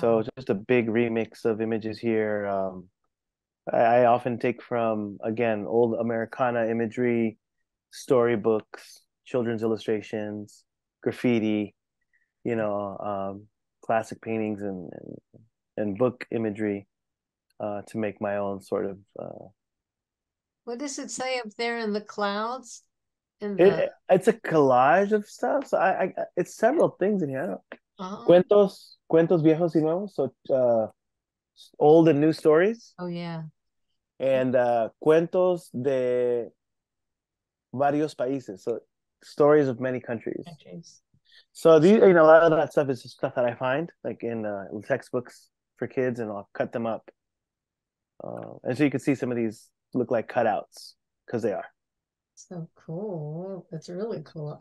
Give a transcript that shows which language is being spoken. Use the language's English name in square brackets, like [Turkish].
[English] So just a big remix of images here. I often take from, again, old Americana imagery, storybooks, children's illustrations, graffiti, you know, classic paintings and book imagery to make my own sort of... What does it say up there in the clouds? It's a collage of stuff. So I it's several things in here. Uh-huh. [Spanish] Cuentos viejos y nuevos. [English] So old and new stories. Oh, yeah. [Spanish] And cuentos de varios países. [English] So stories of many countries. So these, you know, a lot of that stuff is just stuff that I find, like in textbooks for kids, and I'll cut them up. And so you can see some of these look like cutouts because they are. So cool. That's really cool.